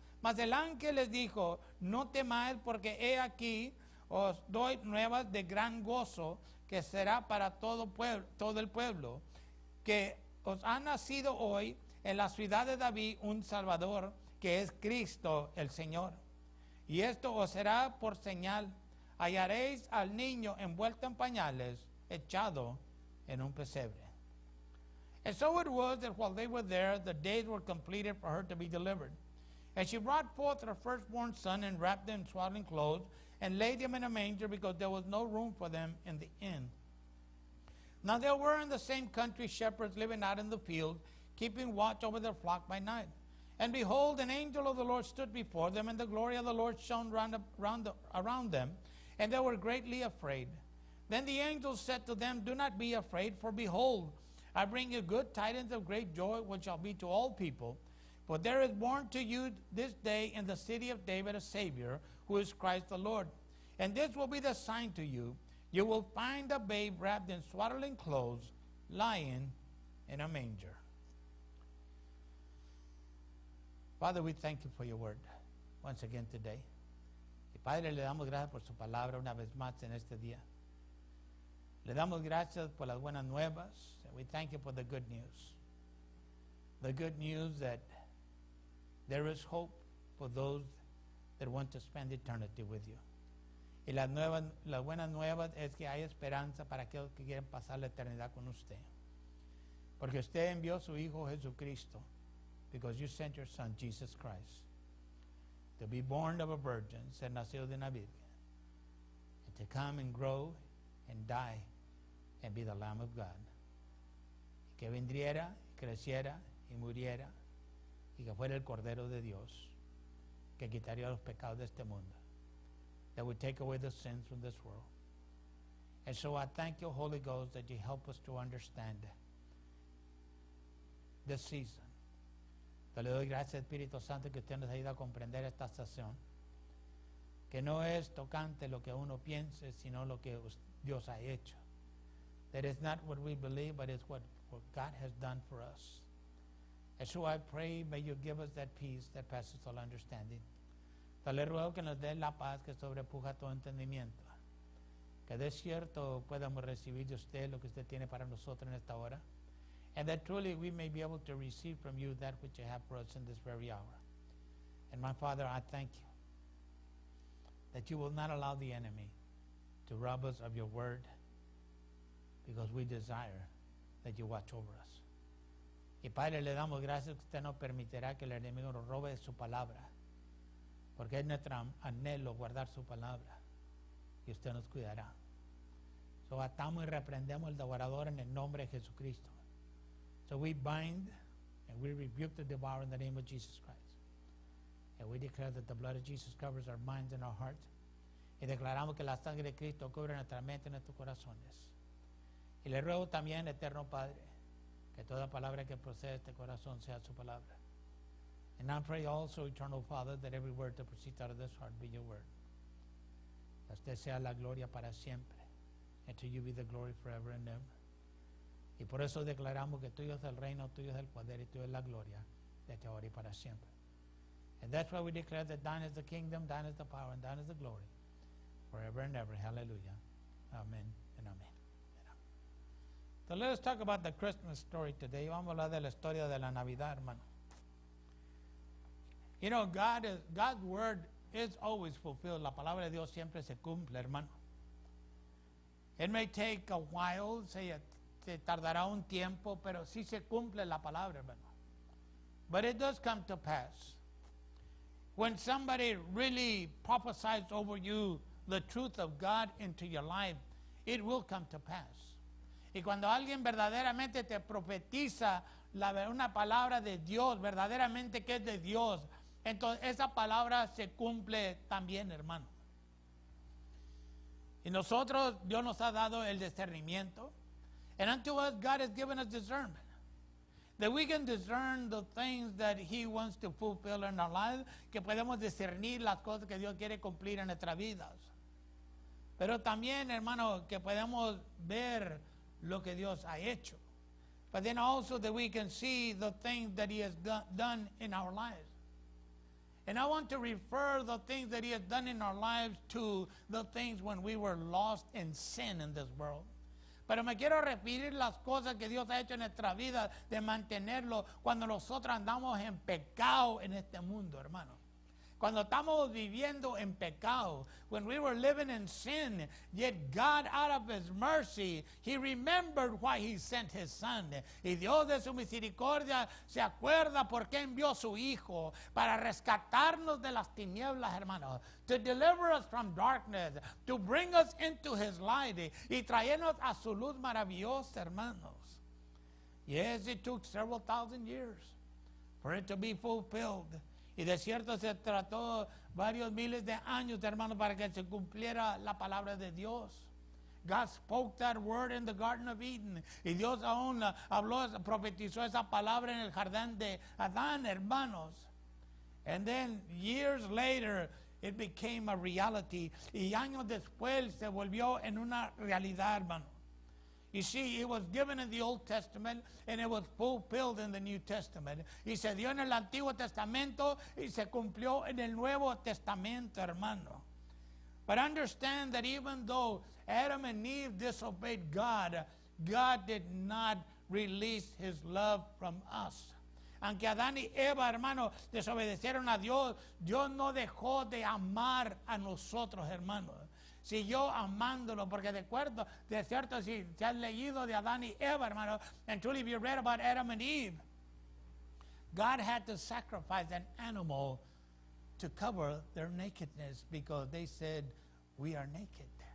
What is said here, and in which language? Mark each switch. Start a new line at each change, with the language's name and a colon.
Spanish: Mas el ángel les dijo: no temáis, porque he aquí os doy nuevas de gran gozo, que será para todo el pueblo, que os ha nacido hoy en la ciudad de David un Salvador, que es Cristo el Señor. Y esto os será por señal: hallaréis al niño envuelto en pañales, echado en un pesebre.
English: And so it was that while they were there, the days were completed for her to be delivered. And she brought forth her firstborn son and wrapped him in swaddling clothes and laid him in a manger, because there was no room for them in the inn. Now there were in the same country shepherds living out in the field, keeping watch over their flock by night. And behold, an angel of the Lord stood before them, and the glory of the Lord shone around them, and they were greatly afraid. Then the angel said to them, do not be afraid, for behold, I bring you good tidings of great joy, which shall be to all people. For there is born to you this day in the city of David a Savior, who is Christ the Lord. And this will be the sign to you: you will find a babe wrapped in swaddling clothes, lying in a manger. Father, we thank you for your word once again today.
Spanish: Padre, le damos gracias por su palabra una vez más en este día. Le damos gracias por las buenas nuevas.
English: We thank you for the good news. The good news that there is hope for those that want to spend eternity with you.
Spanish: Y las buenas nuevas es que hay esperanza para aquellos que quieren pasar la eternidad con usted. Porque usted envió su Hijo Jesucristo.
English: Because you sent your Son, Jesus Christ, to be born of a virgin,
Spanish: ser nacido de una virgen,
English: and to come and grow and die and be the Lamb of God.
Spanish: Y que vendriera, creciera y muriera, y que fuera el Cordero de Dios, que quitaría los pecados de este mundo.
English: That would take away the sins from this world. And so I thank you, Holy Ghost, that you help us to understand this season.
Spanish: Yo le doy gracias, Espíritu Santo, que usted nos ayuda a comprender esta estación, que no es tocante lo que uno piense, sino lo que Dios ha hecho.
English: That is not what we believe, but it's what God has done for us. And so I pray, may you give us that peace that passes all understanding.
Spanish: Yo le ruego que nos dé la paz que sobrepuja todo entendimiento. Que de cierto podamos recibir de usted lo que usted tiene para nosotros en esta hora.
English: And that truly we may be able to receive from you that which you have for us in this very hour. And my Father, I thank you that you will not allow the enemy to rob us of your word, because we desire that you watch over us.
Spanish: Y Padre, le damos gracias que usted no permitirá que el enemigo nos robe su palabra, porque es nuestro anhelo guardar su palabra, y usted nos cuidará. So atamos y reprendemos el devorador en el nombre de Jesucristo.
English: So we bind and we rebuke the devourer in the name of Jesus Christ. And we declare that the blood of Jesus covers our minds and our hearts.
Spanish: Y declaramos que la sangre de Cristo cubre nuestra mente y nuestros corazones. Y le ruego también, Eterno Padre, que toda palabra que procede de este corazón sea su palabra.
English: And I pray also, Eternal Father, that every word that proceeds out of this heart be your word.
Spanish: Que usted sea la gloria para siempre.
English: And to you be the glory forever and ever.
Spanish: Y por eso declaramos que tuyo es el reino, tuyo es el poder y tuyo es la gloria, desde ahora y para siempre.
English: And that's why we declare that thine is the kingdom, thine is the power, and thine is the glory, forever and ever. Hallelujah. Amen and amen. So let us talk about the Christmas story today.
Spanish: Vamos a hablar de la historia de la Navidad, hermano.
English: You know, God's word is always fulfilled.
Spanish: La palabra de Dios siempre se cumple, hermano.
English: It may take a while, say it.
Spanish: Se tardará un tiempo, pero sí se cumple la palabra, hermano.
English: But it does come to pass. When somebody really prophesies over you the truth of God into your life, it will come to pass.
Spanish: Y cuando alguien verdaderamente te profetiza la, una palabra de Dios, verdaderamente que es de Dios, entonces esa palabra se cumple también, hermano. Y nosotros, Dios nos ha dado el discernimiento.
English: And unto us, God has given us discernment. That we can discern the things that he wants to fulfill in our lives.
Spanish: Que podemos discernir las cosas que Dios quiere cumplir en nuestras vidas. Pero también, hermano, que podemos ver lo que Dios ha hecho.
English: But then also that we can see the things that he has done in our lives. And I want to refer the things that he has done in our lives to the things when we were lost in sin in this world.
Spanish: Pero me quiero referir las cosas que Dios ha hecho en nuestra vida de mantenerlo cuando nosotros andamos en pecado en este mundo, hermano. Cuando estamos viviendo en pecado,
English: when we were living in sin, yet God, out of his mercy, he remembered why he sent his son.
Spanish: Y Dios de su misericordia se acuerda por qué envió su hijo, para rescatarnos de las tinieblas, hermanos.
English: To deliver us from darkness, to bring us into his light,
Spanish: y traernos a su luz maravillosa, hermanos.
English: Yes, it took several thousand years for it to be fulfilled.
Spanish: Y de cierto se trató varios miles de años, hermano, para que se cumpliera la palabra de Dios.
English: God spoke that word in the Garden of Eden.
Spanish: Y Dios aún habló, profetizó esa palabra en el jardín de Adán, hermanos.
English: And then years later, it became a reality.
Spanish: Y años después se volvió en una realidad, hermano.
English: You see, it was given in the Old Testament and it was fulfilled in the New Testament.
Spanish: Y se dio en el Antiguo Testamento y se cumplió en el Nuevo Testamento, hermano.
English: But understand that even though Adam and Eve disobeyed God, God did not release his love from us.
Spanish: Aunque Adán y Eva, hermano, desobedecieron a Dios, Dios no dejó de amar a nosotros, hermano. Siguió amándolo, porque de acuerdo, de cierto, si has leído de Adán y Eva, hermano,
English: and truly if you read about Adam and Eve, God had to sacrifice an animal to cover their nakedness because they said, we are naked.